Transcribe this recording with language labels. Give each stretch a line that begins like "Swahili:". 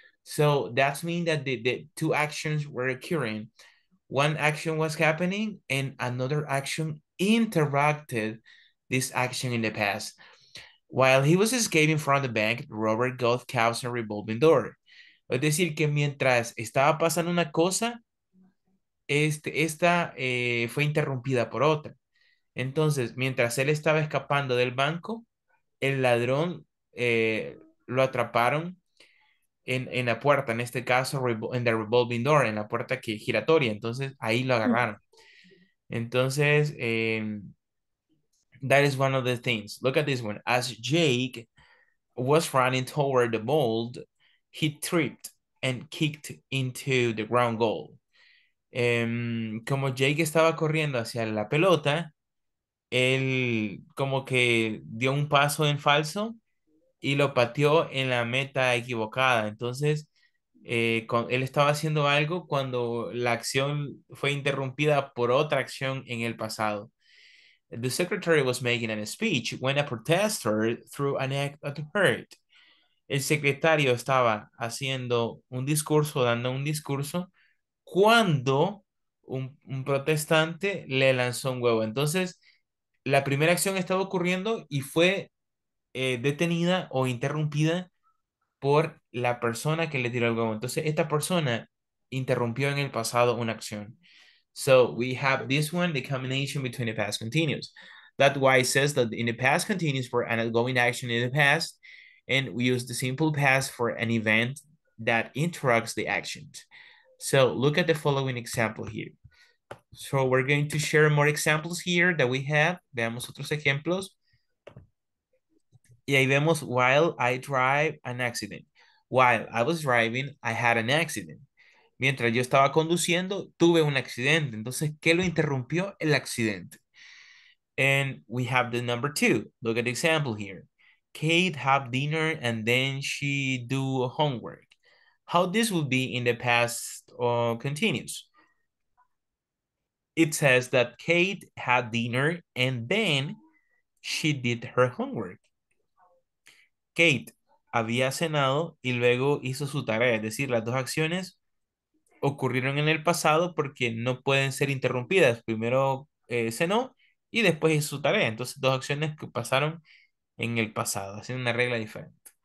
English: So that means that the two actions were occurring. One action was happening and another action interrupted this action in the past. While he was escaping from the bank, the robber got caught in the revolving door.
Spanish: Es decir, que mientras estaba pasando una cosa, fue interrumpida por otra. Entonces, mientras él estaba escapando del banco, el ladrón lo atraparon. en la puerta, en este caso, en
English: the revolving door,
Spanish: en la puerta que giratoria. Entonces, ahí lo agarraron. Entonces,
English: that is one of the things. Look at this one. As Jake was running toward the bolt, he tripped and kicked into the ground goal.
Spanish: Como Jake estaba corriendo hacia la pelota, él como que dio un paso en falso y lo pateó en la meta equivocada. Entonces, él estaba haciendo algo cuando la acción fue interrumpida por otra acción en el pasado.
English: The secretary was making a speech when a protester threw an egg at her.
Spanish: El secretario estaba haciendo un discurso, dando un discurso, cuando un protestante le lanzó un huevo. Entonces, la primera acción estaba ocurriendo y fue detenida o interrumpida por la persona que le tiró el huevo. Entonces, esta persona interrumpió en el pasado una acción.
English: So, we have this one, the combination between the past continuous. That's why it says that in the past continuous for an ongoing action in the past, and we use the simple past for an event that interrupts the action. So, look at the following example here. So, we're going to share more examples here that we have.
Spanish: Veamos otros ejemplos. Y ahí vemos,
English: while I drive an accident. While I was driving, I had an accident.
Spanish: Mientras yo estaba conduciendo, tuve un accidente. Entonces, ¿qué lo interrumpió? El accidente.
English: And we have the number two. Look at the example here. Kate have dinner and then she do homework. How this would be in the past continuous? It says that Kate had dinner and then she did her homework.
Spanish: Kate había cenado y luego hizo su tarea. Es decir, las dos acciones ocurrieron en el pasado porque no pueden ser interrumpidas. Primero cenó y después hizo su tarea. Entonces, dos acciones que pasaron en el pasado, haciendo una regla diferente.